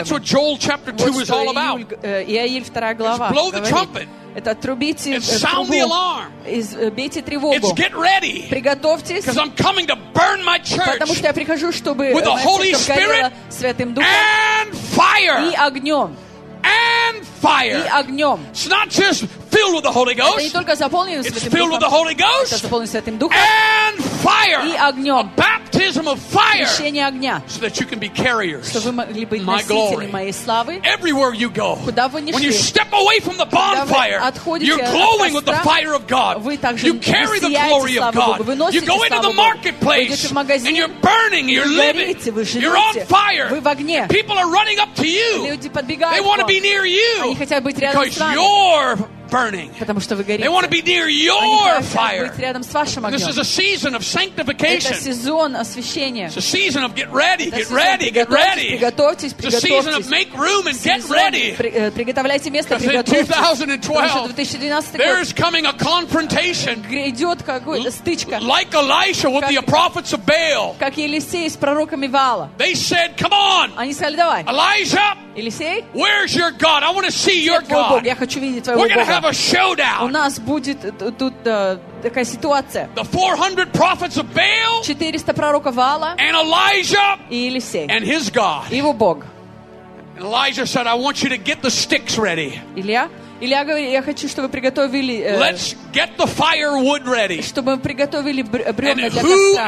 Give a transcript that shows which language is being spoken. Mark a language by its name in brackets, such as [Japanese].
[English] And that's what Joel chapter 2 is all about. [Russian] Иаиль 2 глава. [English] Blow the trumpet. [Russian] Это трубите трубу, бейте тревогу, приготовьтесь, потому что я прихожу, чтобы моя церковь горела Святым Духом и огнем. [English] Fire. [Russian] И огнем. [English] It's not just filled with the Holy Ghost. [Russian] Это не только заполнен Святым [English] It's filled with the Holy Ghost. [Russian] Это заполнен Святым Духом. [English] And fire. [Russian] И огнем. [English] A baptism of fire. [Russian] Крещение огня. [English] So that you can be carriers. [Russian] Чтобы вы могли быть носителями моей славы. [English] Everywhere you go. [Russian] Куда вы ни шли. [English] When you step away from the bonfire, you're glowing with the fire of God. [Russian] Вы также [English] you carry the glory of God. [Russian] Вы носите [English] you go into the marketplace. [Russian] Вы идете в магазин. [English] And you're burning. You're living. [Russian] Вы живете. [English] You're on fire. [Russian] Вы в огне. [English] And people are running up to you. [Russian] Люди подбегают к вам. [English] They want to be near you. [Russian] Хотят быть рядом [English] Because [Russian] с вами. [English] You're burning. [Russian] Потому что вы горите. [English] They want to be near your fire. [Russian] Быть рядом с вашим огнем. [English] This is a season of sanctification. [Russian] Это сезон освящения. [English] It's a season of get ready, get ready, get ready. [Russian] Приготовьтесь, приготовьтесь. [English] It's a season of make room and get ready. [Russian] Приготовляйте место, приготовьтесь. 2012. [English] There is coming a confrontation. [Russian] Грядет какая-то стычка. [English] Like Elisha with the prophets of Baal. [Russian] Как Елисей с пророками Ваала. [English] They said, "Come on." [Russian] Они сказали, давай. [English] Elijah. [Russian] Елисей. [English] Where's your God? I want to see your God. [Russian] Я хочу видеть твоего Бога. [English] Have a showdown. [Russian] У нас будет тут такая ситуация. [English] The 400 prophets of Baal. [Russian] 400 пророков Ваала. [English] And Elijah. [Russian] И Елисей. [English] And his God. [Russian] Его Бог. [English] Elijah said, "I want you to get the sticks ready." [Russian] Илья. Илья говорит, я хочу, чтобы вы приготовили. [English] Let's get the firewood ready. [Russian] Чтобы приготовили бревна для костра.